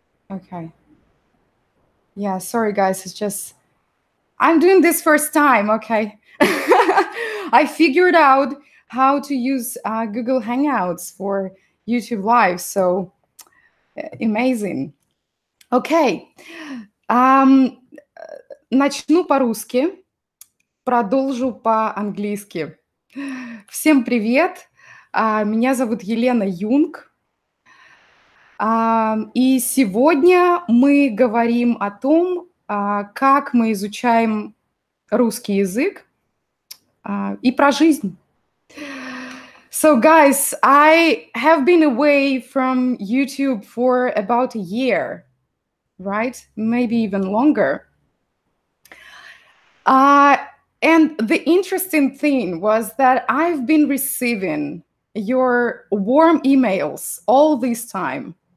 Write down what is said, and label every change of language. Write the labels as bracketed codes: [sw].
[en] Okay. Yeah, sorry guys, it's just, I'm doing this first time, okay? I figured out how to use Google Hangouts for YouTube Live, so amazing. Okay. [ru] Начну по-русски, продолжу по-английски. Всем привет, меня зовут Елена Юнг. И сегодня мы говорим о том, как мы изучаем русский язык и про жизнь. [en] So, guys, I have been away from YouTube for about a year, right? Maybe even longer. And the interesting thing was that I've been receiving your warm emails all this time.